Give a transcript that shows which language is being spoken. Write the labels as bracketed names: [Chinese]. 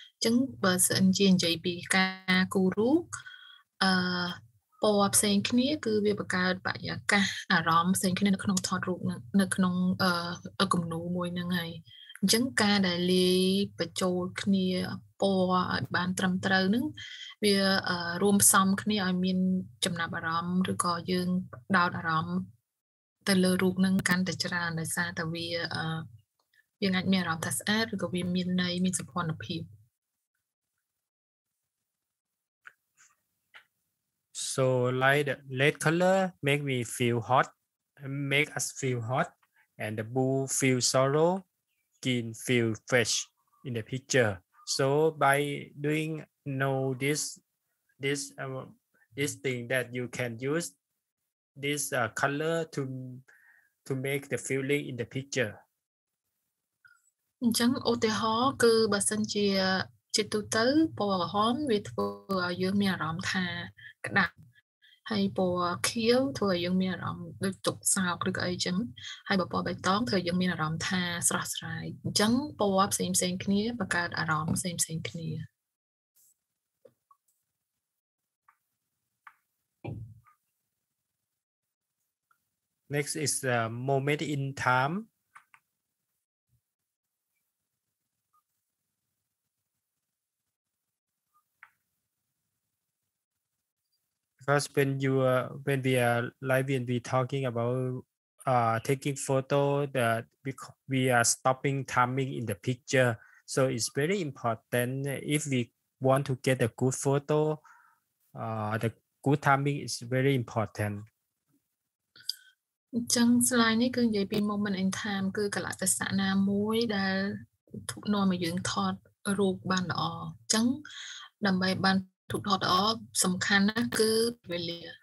[Khmer] ចឹងបើសិនជានិយាយពីការគូររូបពណ៌ផ្សេងគ្នាគឺវាបង្កើតបរិយាកាសអារម្មណ៍ផ្សេងគ្នានៅក្នុងថតរូបនៅក្នុងគំនូរមួយហ្នឹងហើយអញ្ចឹងការដែលលាយបញ្ចូលគ្នាពណ៌ឲ្យបានត្រឹមត្រូវហ្នឹងវារួមផ្សំគ្នាឲ្យមានចំណាប់អារម្មណ៍ឬក៏យើងដោតអារម្មណ៍ទៅលើរូបហ្នឹងកាន់តែច្រើនដោយសារតែវាយើងអាចមានអារម្មណ៍ថាស្អាតឬក៏វាមានន័យមានសុភ័ណភាព [English] So light, red color make me feel hot, make us feel hot, and the blue feel sorrow, green feel fresh in the picture. So by doing know this thing that you can use this color to make the feeling in the picture. [Khmer] អញ្ចឹងឧទាហរណ៍គឺបើសិនជាជាទូទៅពណ៌ក្រហមវាធ្វើឲ្យយើងមានអារម្មណ៍ថាក្តៅហើយពណ៌ខៀវធ្វើឲ្យយើងមានអារម្មណ៍ដូចទុក្ខសោកឬក៏អីចឹងហើយពណ៌បៃតងធ្វើឲ្យយើងមានអារម្មណ៍ថាស្រស់ស្រាយអញ្ចឹងពណ៌ផ្សេងផ្សេងគ្នាបង្កើតអារម្មណ៍ផ្សេងផ្សេងគ្នា [English] Next is the moment in time. Because when we are live and we talking about taking photo, that we are stopping timing in the picture. So it's very important if we want to get a good photo, the good timing is very important. [Khmer] ចឹង slide នេះគឺនិយាយពី moment in time គឺកាលៈទេសៈណាមួយដែលធូបនាំឲ្យយើងថតរូបបានល្អចឹងដើម្បីបានទូទាត់អសំខាន់ណាគឺវេលា